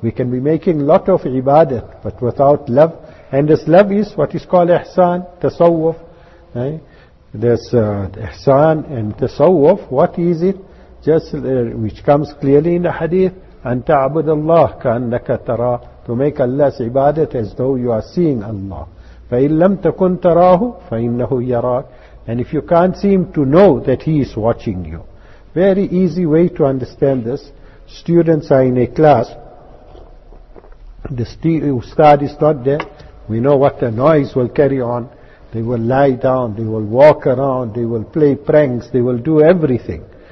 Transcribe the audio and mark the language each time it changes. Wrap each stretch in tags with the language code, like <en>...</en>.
<en>We can be making lot of ibadat, but without love. And this love is what is called ihsan, tasawwuf. Ihsan and tasawwuf, what is it? Which comes clearly in the hadith,</en> <ar>أن تعبد الله كأنك ترى,</ar> <en>to make Allah's ibadat as though you are seeing Allah.</en> <ar>فإن لم تكن تراه فإنه يراك.</ar> <en>And if you can't seem to know that He is watching you. Very easy way to understand this. Students are in a class. The ustad is not there. We know what the noise will carry on. They will lie down, they will walk around, they will play pranks, they will do everything.</en>